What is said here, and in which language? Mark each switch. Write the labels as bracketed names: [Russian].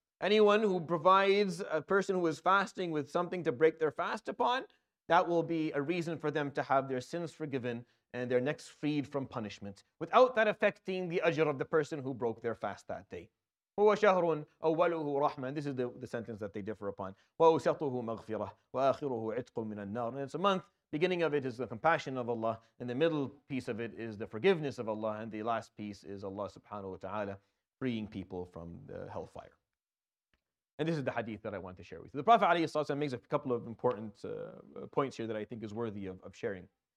[English] Anyone who provides a person who is fasting with something to break their fast upon, that will be a reason for them to have their sins forgiven and their necks freed from punishment, without that affecting the ajr of the person who broke their fast that day. [Arabic] هو شهر أوله رحمة. [English] This is the sentence that they differ upon. [Arabic] وأوسطه مغفرة وآخره عتق من النار. [English] And it's a month. Beginning of it is the compassion of Allah, and the middle piece of it is the forgiveness of Allah, and the last piece is Allah subhanahu wa ta'ala freeing people from the hellfire. And this is the hadith that I want to share with you. The Prophet alayhi salatu wasalam makes a couple of important points here that I think is worthy of sharing.